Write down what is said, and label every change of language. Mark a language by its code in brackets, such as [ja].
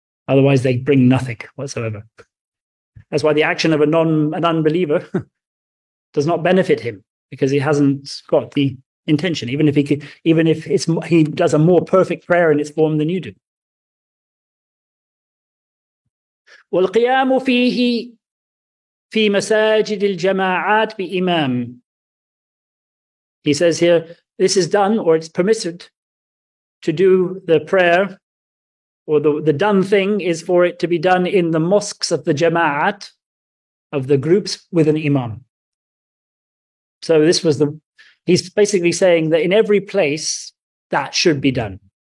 [en] Otherwise, they bring nothing whatsoever. That's why the action of an unbeliever does not benefit him, because he hasn't got the intention, even if he does a more perfect prayer in its form than you do. [ar] والقيام فيه في مساجد الجماعات بإمام. [en] He says here, this is done, or it's permitted to do the prayer, or the done thing is for it to be done in the mosques of the jama'at, of the groups, with an imam. So this was he's basically saying that in every place that should be done.